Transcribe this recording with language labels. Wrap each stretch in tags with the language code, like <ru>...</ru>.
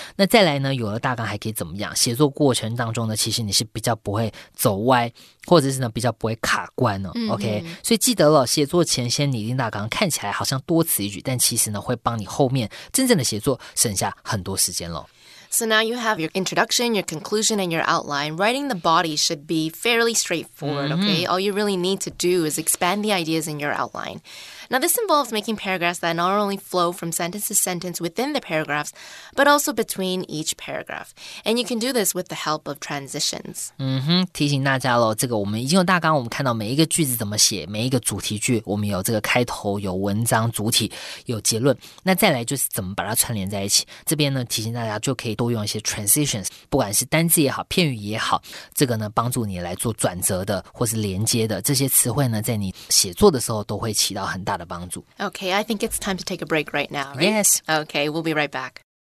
<zh>那再来呢，有了大纲还可以怎么样？写作过程当中呢，其实你是比较不会走歪，或者字是呢比较不会卡关呢、嗯、OK， 所以记得了，写作前先拟定大纲，看起来好像多此一举，但其实呢会帮你后面真正的写作省下很多时间了。</zh> <en>So now you have your introduction, your conclusion, and your outline. Writing the body should be fairly straightforward, okay? All you really need to do is expand the ideas in your outline. Now, this involves making paragraphs that not only flow from sentence to sentence within the paragraphs, but also between each paragraph. And you can do this with the help of transitions.</en> <zh>嗯哼，提醒大家咯，这个我们已经有大纲，我们看到每一个句子怎么写，每一个主题句，我们有这个开头，有文章，主体，有结论。那再来就是怎么把它串联在一起。这边呢，提醒大家就可以多用一些 transitions， 不管是单字也好，片语也好，这个呢帮助你来做转折的或是连接的这些词汇呢，在你写作的时候都会起到很大的帮助。</zh> <en>Okay, I think it's time to take a break right now, right? Yes. Okay, we'll be right back.</en>